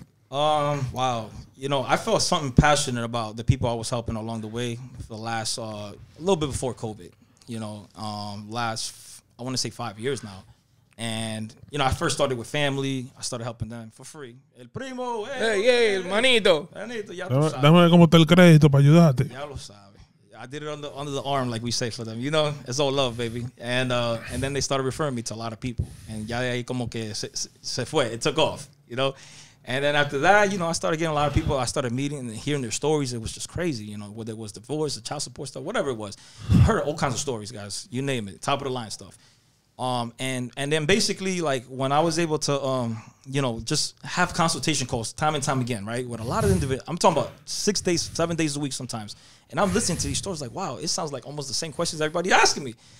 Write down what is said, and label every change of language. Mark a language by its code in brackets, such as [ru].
[en] Wow. You know, I felt something passionate about the people I was helping along the way for the last, a little bit before COVID, you know, last, I want to say 5 years now. And, you know, I first started with family. I started helping them for free. [es] El primo. Hey, el manito. Manito, ya lo sabe. Dame como el crédito para ayudarte. Ya lo sabe. [en] I did it under the arm, like we say for them. You know, it's all love, baby. And then they started referring me to a lot of people. And [es] ya ahí como que se fue. [en] It took off, you know. And then after that, you know, I started getting a lot of people. I started meeting and hearing their stories. It was just crazy, you know, whether it was divorce, the child support stuff, whatever it was. I heard all kinds of stories, guys. You name it. Top of the line stuff. And then basically, like, when I was able to, you know, just have consultation calls time and time again, right, with a lot of individuals, I'm talking about 6 days, 7 days a week sometimes, and I'm listening to these stories like, wow, it sounds like almost the same questions everybody asking me.